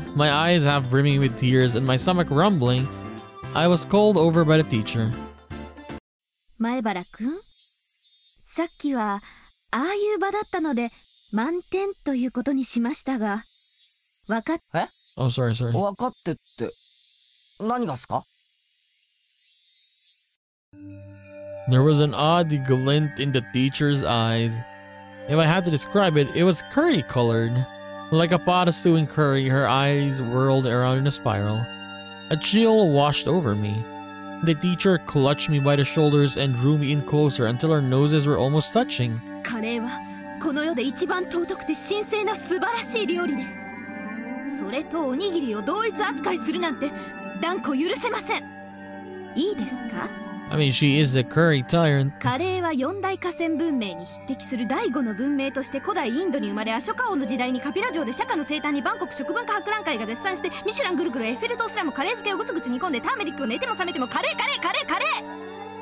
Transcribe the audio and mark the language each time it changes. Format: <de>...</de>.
<en>My eyes half brimming with tears and my stomach rumbling, I was called over by the teacher.</en> <ja>前原くん、さっきはああいう場だったので満点ということにしましたが、わかっ、え</ja> <en>Oh, sorry, sorry.</en> <ja>わかってって、何がすか？</ja> <en>There was an odd glint in the teacher's eyes. If I had to describe it, it was curry-colored. Like a pot of stewing curry, her eyes whirled around in a spiral. A chill washed over me. The teacher clutched me by the shoulders and drew me in closer until our noses were almost touching. Curry is one of the most sacred and pure and wonderful dishes on earth. And treating it as a sandwich is not acceptable. Is that okay? I mean, she is the curry tyrant.</en> <ja>カレーは四大河川文明に匹敵する第五の文明として古代インドに生まれ、アショカ王の時代にカピラ城で釈迦の生誕に万国食文化博覧会が絶賛して、ミシュラングルグルエッフェル塔すらもカレー漬けをぐつぐつ煮込んで、ターメリックを寝ても覚めてもカレーカレーカレーカレー</ja>